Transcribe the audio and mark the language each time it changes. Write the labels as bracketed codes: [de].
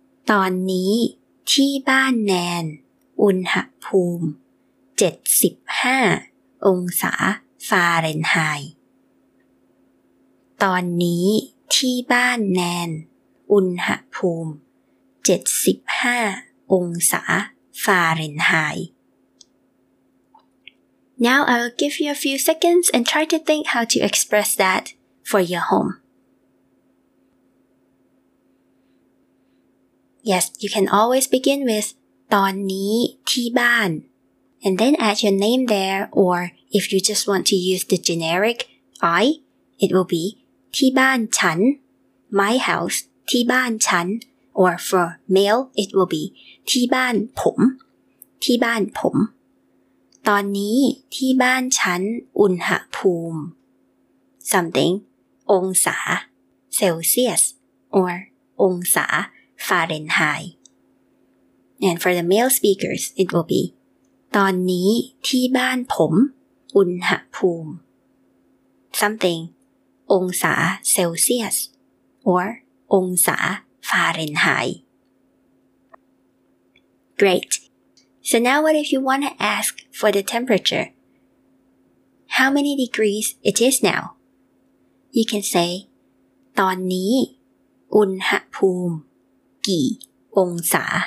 [th] ตอนนี้ที่บ้านแนนอุณหภูมิ75องศาฟาเรนไฮต์ตอนนี้ที่บ้านแนนอุณหภูมิ75องศา Fahrenheit. [en] Now I will give you a few seconds and try to think how to express that for your home. Yes, you can always begin with [th] ตอนนี้ที่บ้าน [en] and then add your name there or if you just want to use the generic I, it will be [th] ที่บ้านฉัน [en] my house ที่บ้านฉันOr for male, it will be [th] ที่บ้านผมที่บ้านผม ตอนนี้ที่บ้านฉันอุณหภูมิ [en] something องศา Celsius or องศา Fahrenheit And for the male speakers, it will be [th] ตอนนี้ที่บ้านผมอุณหภูมิ [en] something องศา Celsius or องศาFahrenheit. Great. So now what if you want to ask for the temperature? How many degrees it is now? You can say, [th] ตอนนี้อุณหภูมิกี่องศา?